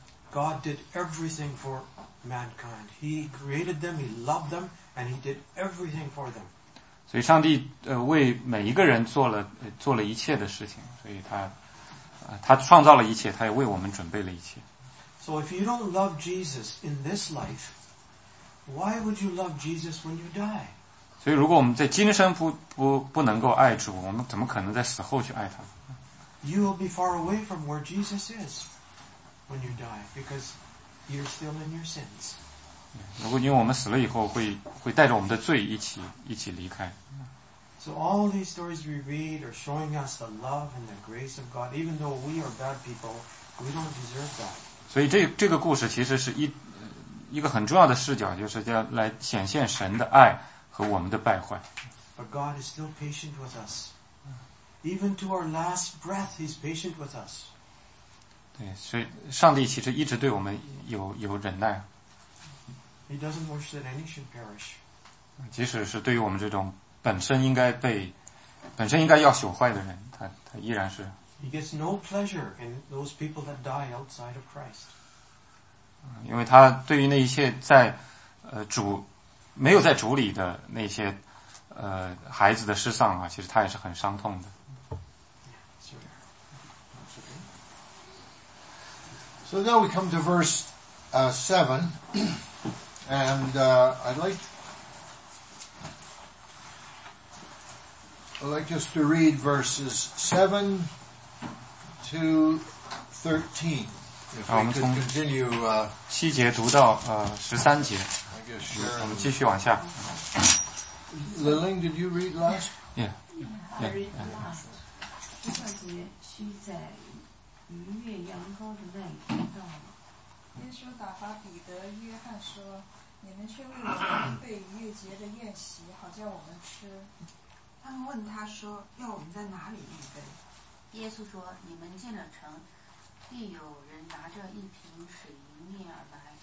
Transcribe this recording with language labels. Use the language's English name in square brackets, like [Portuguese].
[English] God did everything for mankind. He created them, he loved them, and he did everything for them. [Chinese] 所以上帝为每一个人做了一切的事情，所以他创造了一切，他也为我们准备了一切。 [English] So if you don't love Jesus in this life, why would you love Jesus when you die? [Chinese] 所以如果我们在今生不能够爱主，我们怎么可能在死后去爱他？ [English] You will be far away from where Jesus is when you die, because you're still in your sins. [Chinese] 如果因为我们死了以后会带着我们的罪一起离开。 [English] So all these stories we read are showing us the love and the grace of God. Even though we are bad people, we don't deserve that. [Chinese] 所以这个故事其实是一个很重要的视角，就是要来显现神的爱和我们的败坏。 [English] But God is still patient with us. Even to our last breath, He's patient with us. [Chinese] 对，所以上帝其实一直对我们有忍耐。 [English] He doesn't wish that any should perish. [Chinese] 即使是对于我们这种本身应该要朽坏的人，他依然是。 [English] He gets no pleasure in those people that die outside of Christ. [Chinese] 因为他对于那一些在主没有在主里的那些孩子的失丧啊，其实他也是很伤痛的。 [English] So now we come to verse 7, and I'd like just to read verses 7. To 13. If we could continue, [Chinese] 七节读到十三节。我们继续往下。 [English] Lilling, did you read last? Yeah. I read last. [Chinese] 十三节，须在逾越羊羔的那一天到了。耶稣打发彼得、约翰说：“你们却为我预备逾越节的宴席，好叫我们吃。” 他们问他说：“要我们在哪里预备？” 耶稣说：“你们进了城，必有人拿着一瓶水迎面而来，